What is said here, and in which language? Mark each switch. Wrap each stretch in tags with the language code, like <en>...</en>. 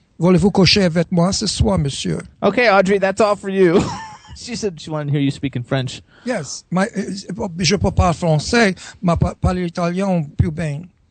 <fr>Voulez-vous coucher avec moi ce soir, monsieur?</fr> <en>Okay, Audrey, that's all for you. She said she wanted to hear you speak in French. Yes.</en> <fr>Je peux parler français, mais parler italien plus bien.</fr>